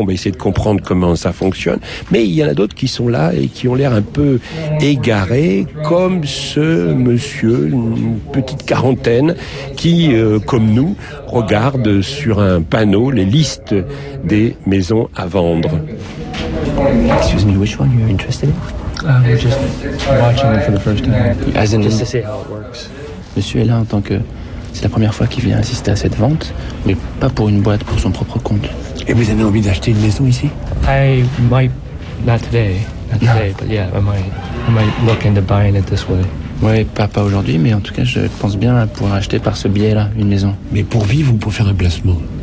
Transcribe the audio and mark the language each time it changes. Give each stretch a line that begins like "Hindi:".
French: On va essayer de comprendre comment ça fonctionne. Mais il y en a d'autres qui sont là et qui ont l'air un peu égarés, comme ce monsieur, une petite quarantaine, qui, comme nous, regarde sur un panneau les listes des maisons à vendre.
English: Excuse me, which one are you interested in? Just watching for the first time. As in, just to see how it works.
French: Monsieur est là en tant que... C'est la première fois qu'il vient assister à cette vente, mais pas pour une boîte, pour son propre compte. Et vous avez envie d'acheter une maison ici?
English: I might... Not today. Not today, but yeah, I might look into buying it this way.
French: Oui, pas aujourd'hui, mais en tout cas, je pense bien à pouvoir acheter par ce biais-là une maison. Mais pour vivre ou pour faire un placement?